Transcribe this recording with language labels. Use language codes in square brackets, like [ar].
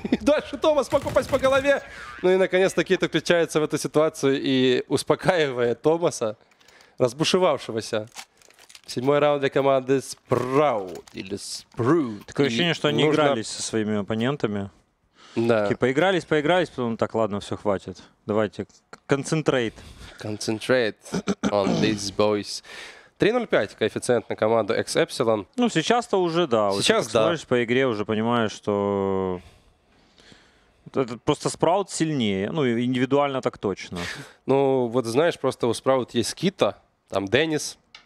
[ru] И дальше Томас мог попасть по голове. Ну и наконец-то Кит включается в эту ситуацию и успокаивает Томаса, разбушевавшегося. 7-й раунд для команды Sprout или Sprout. Такое ощущение, что они игрались со своими оппонентами. Да. Типа игрались, поигрались, потом так, ладно, все, хватит. Давайте, концентрейт. [en] Concentrate on these boys. [ru] 3.05 коэффициент на команду X-Epsilon. Ну, сейчас-то уже, да. Сейчас, уже, смотришь по игре, уже понимаешь, что... Это просто Sprout сильнее, ну, индивидуально так точно. Ну, вот знаешь, просто у Sprout есть Кита, там Деннис.